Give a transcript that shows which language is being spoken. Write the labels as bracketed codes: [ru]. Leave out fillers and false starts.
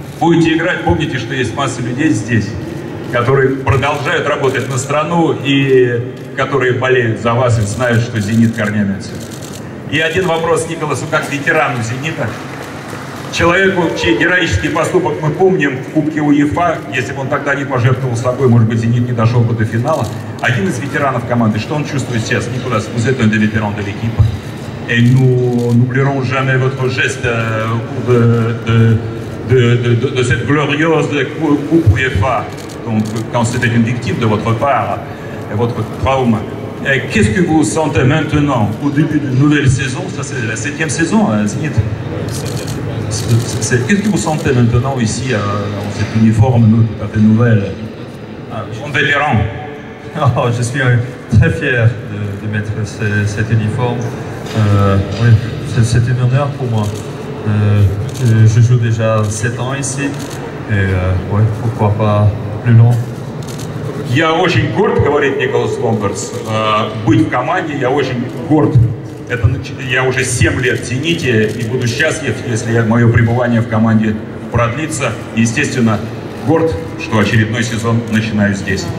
[ru] Будете играть, помните, что есть масса людей здесь, которые продолжают работать на страну и которые болеют за вас и знают, что Зенит корнями отсюда. И один вопрос Николасу, как ветерану «Зенита», человеку, чей героический поступок мы помним в Кубке УЕФА, если бы он тогда не пожертвовал собой, может быть, «Зенит» не дошел бы до финала. Один из ветеранов команды, что он чувствует сейчас, [fr] Николас, vous êtes un des vétérans de l'équipe, et nous n'oublierons jamais votre geste de cette glorieuse Coupe UEFA, donc quand c'était une victime de votre part, et votre trauma. Qu'est-ce que vous sentez maintenant au début d'une nouvelle saison? Ça, c'est la 7e saison, hein, Zenit. Qu'est-ce que vous sentez maintenant ici, en cet uniforme tout à fait nouvelle? En vétéran. Oh, je suis très fier de mettre cet uniforme. Oui, c'est un honneur pour moi. Je joue déjà 7 ans ici. Et ouais, pourquoi pas plus long? [ru] Я очень горд, говорит Николас Ломбардс, быть в команде, я очень горд. Это, я уже 7 лет в «Зените» и буду счастлив, если мое пребывание в команде продлится. Естественно, горд, что очередной сезон начинаю здесь.